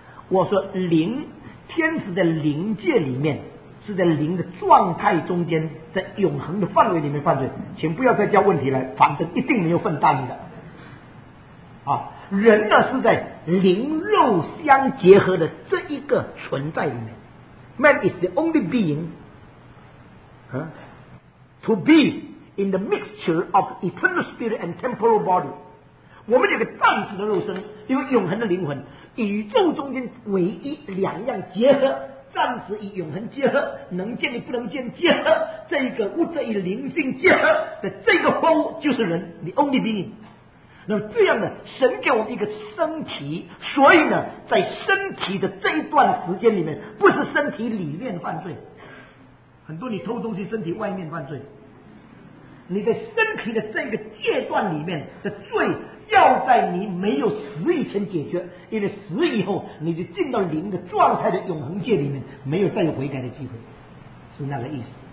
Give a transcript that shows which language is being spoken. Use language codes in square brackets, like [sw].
[zh] 我说灵，天使在灵界里面，是在灵的状态中间，在永恒的范围里面犯罪，请不要再叫问题来，反正一定没有份答你的。啊，人呢是在灵肉相结合的这一个存在里面。 [en] Man is the only being to be in the mixture of eternal spirit and temporal body. [zh] 我们有个暂时的肉身，有永恒的灵魂，宇宙中间唯一两样结合，暂时与永恒结合，能见与不能见结合，这一个物质与灵性结合的这个活物就是人 ， [en] the only being。 [zh] 那么这样呢，神给我们一个身体，所以呢在身体的这一段时间里面，不是身体里面犯罪，很多你偷东西身体外面犯罪，你的身体的这个阶段里面的罪要在你没有死以前解决，因为死以后你就进到灵的状态的永恒界里面，没有再有悔改的机会，是那个意思。